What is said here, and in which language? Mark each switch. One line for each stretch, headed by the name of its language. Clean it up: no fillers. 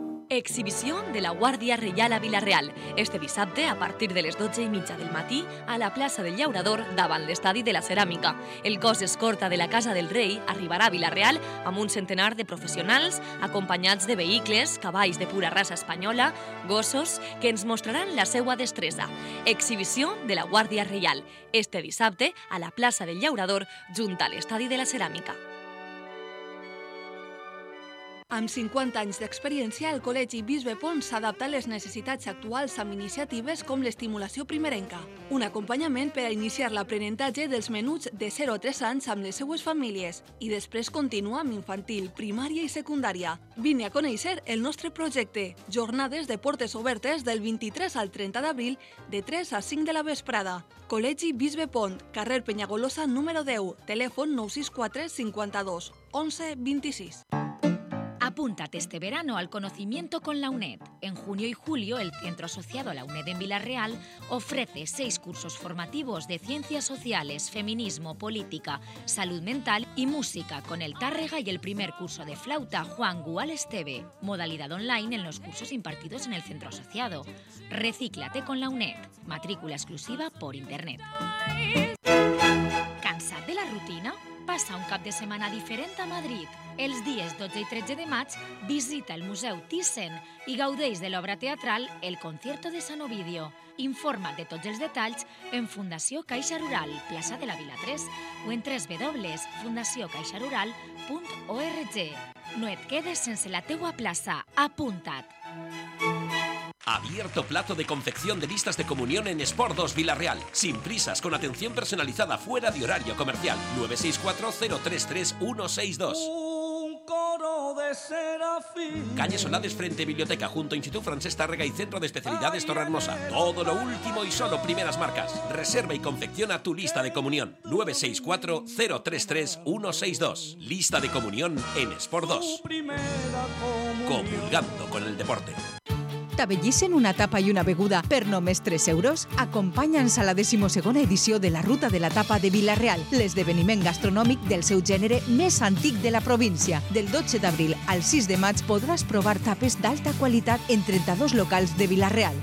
Spanish: Exhibición de la Guardia Real a Vila-real.
Catalan: Este dissabte, a partir de les 12:30 del matí, a la plaça del Llaurador, davant l'Estadi de la Ceràmica. El cos escorta de la Casa del Rei arribarà a Vila-real amb un centenar de professionals, acompanyats de vehicles, cavalls de pura raça espanyola, gossos, que ens mostraran la seua destresa. Exhibició de la Guàrdia Real. Este dissabte, a la plaça del Llaurador, junt a l'Estadi de la Ceràmica. Amb 50 anys d'experiència, el Col·legi Bisbe Pons s'adapta a les necessitats actuals amb iniciatives com l'estimulació primerenca, un acompanyament per a iniciar l'aprenentatge dels menuts de 0 a 3 anys amb les seues famílies i després continua amb infantil, primària i secundària. Vine a conèixer el nostre projecte. Jornades de portes obertes del 23 al 30 d'abril de 3 a 5 de la vesprada. Col·legi Bisbe Pont, carrer Peñagolosa número 10, telèfon 964 52 11 26.
Spanish: Apúntate este verano al conocimiento con la UNED. En junio y julio, el Centro Asociado a la UNED en Vila-real ofrece 6 cursos formativos de ciencias sociales, feminismo, política, salud mental y música con el Tárrega y el primer curso de flauta Juan Gual Esteve. Modalidad online en los cursos impartidos en el Centro Asociado. Recíclate con la UNED. Matrícula exclusiva por Internet.
Catalan: ¿Cansat de la rutina? Passa un cap de setmana diferent a Madrid. Els dies 12 i 13 de maig, visita el Museu Thyssen i gaudeix de l'obra teatral El Concierto de San Ovidio. Informa't de tots els detalls en Fundació Caixa Rural, plaça de la Vila 3, o en www.fundaciocaixarural.org. No et quedes sense la teua plaça. Apunta't!
Spanish: Abierto plazo de confección de listas de comunión en Sport 2 Vila-real. Sin prisas, con atención personalizada fuera de horario comercial. 964-033-162. Un coro de serafín. Calle Solades frente Biblioteca, junto a Institut Francesc Tàrrega y Centro de Especialidades Torrehermosa. Todo lo último y solo primeras marcas. Reserva y confecciona tu lista de comunión. 964-033-162. Lista de comunión en Sport 2. Comulgando con el deporte.
Catalan: T'abellissen una tapa i una beguda per només 3 euros? Acompanya'ns a la 12a edició de la Ruta de la Tapa de Vila-real, l'esdeveniment gastronòmic del seu gènere més antic de la província. Del 12 d'abril al 6 de maig podràs provar tapes d'alta qualitat en 32 locals de Vila-real.